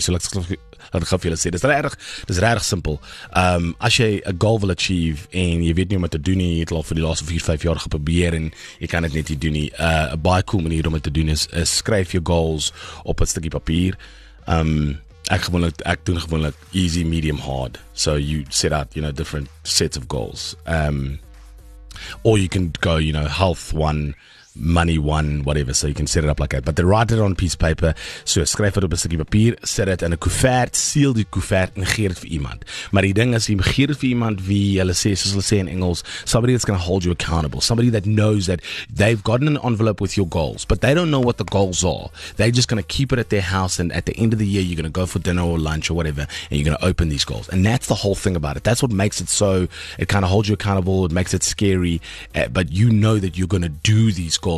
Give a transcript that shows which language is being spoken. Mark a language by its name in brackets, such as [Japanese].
[Afrikaans] So laat ek gou vir julle sê, dis regtig simpel. As jy 'n goal wil achieve en jy weet nie wat te doen nie, jy het al vir die laaste 4-5 jaar geprobeer en jy kan dit net nie doen nie. 'n Baie cool manier om dit te doen is skryf jou goals op 'n stukkie papier. Ek doen gewoonlik easy, medium, hard. [English] So you set out, you know, different sets of goals. Or you can go, you know, health one, money one, whatever, so you can set it up like that. But they write it on a piece of paper. [Afrikaans] So skryf dit op 'n stukkie papier, sit dit in 'n koevert, seal die koevert en gee dit vir iemand. Maar die ding is, jy gee dit vir iemand wie hulle sê, soos hulle sê in Engels, [English] somebody that's going to hold you accountable. Somebody that knows that they've gotten an envelope with your goals, but they don't know what the goals are. They're just going to keep it at their house, and at the end of the year, you're going to go for dinner or lunch or whatever, and you're going to open these goals. And that's the whole thing about it. That's what makes it so, it kind of holds you accountable, it makes it scary, but you know that you're going to do these goals.